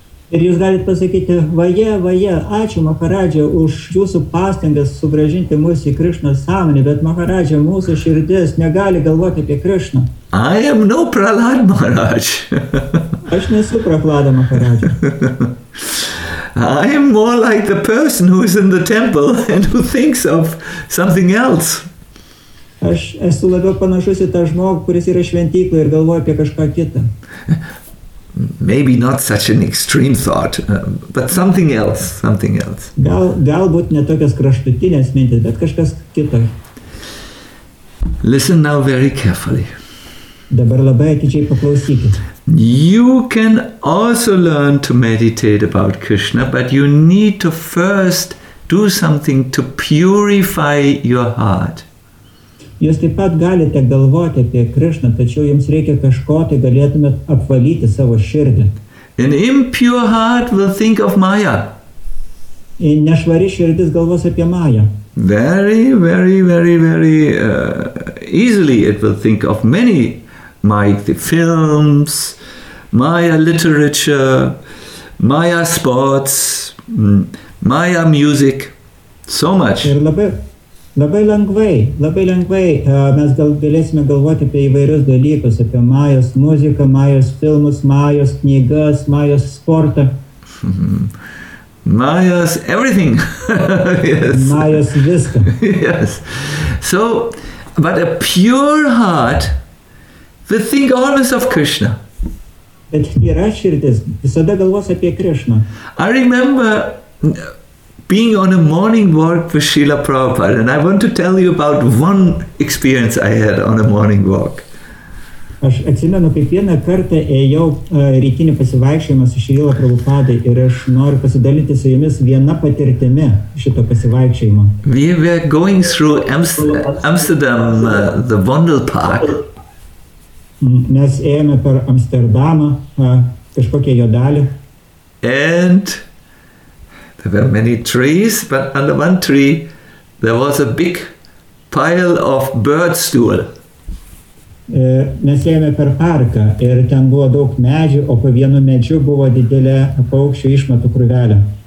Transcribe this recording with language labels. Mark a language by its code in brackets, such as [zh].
[lt] Ir jūs galite pasakyti, vaje, vaje, ačiū Maharadžia už jūsų pastangas sugražinti mūsų į Krishna sąmonį, bet Maharadžia mūsų širdis negali galvoti apie Krishna. [en] I am no Prahlad Maharaj. [lt] Aš nesu Prahlada Maharadžia. [en] I am more like the person who is in the temple and who thinks of something else. [lt] Aš esu labiau panašus į tą žmogų, kuris yra šventyklą ir galvoja apie kažką kitą. [en] Maybe not such an extreme thought, but something else, something else. [lt] Galbūt ne tokias kraštutinės mintis, bet kažkas kita. [en] Listen now very carefully. [lt] Dabar labai atidžiai paklausykite. [en] You can also learn to meditate about Krishna, but you need to first do something to purify your heart. [lt] Jūs taip pat galite galvoti apie Krishna, tačiau jums reikia kažko, tai galėtumėt apvalyti savo širdį. [en] An impure heart will think of Maya. [lt] Nešvari širdis galvos apie Maya. [en] Very, very, very, very easily it will think of many Maya, the films, Maya literature, Maya sports, Maya music, so much. [lt] Ir labai lengvai mes galėsime galvoti apie įvairius dalykus, apie majos muziką, majos filmus, majos knygas, majos sportą. [en] Majos everything. Yes. [lt] Majos viską. [en] Yes. So, but a pure heart will think always of Krishna. [lt] Bet tyra širdis visada galvos apie Krishna. [en] I remember being on a morning walk with Srila Prabhupada, and I want to tell you about one experience I had on a morning walk. [lt] Aš atsimenu, kaip vieną kartą ėjau rytinį pasivaikščiojimą su Srila Prabhupada ir aš noriu pasidalinti su jumis viena patirtimi šito pasivaikščiojimo. [en] We were going through Amsterdam, the Vondelpark. [lt] Mes ėjome per Amsterdamą, kažkokią jo dalį. [en] And there were many trees, but under one tree there was a big pile of birdstool. [lt] Mes ėjome per parką ir ten buvo daug medžių, o po vienu medžiu buvo didelė paukščių išmatų krūvelė.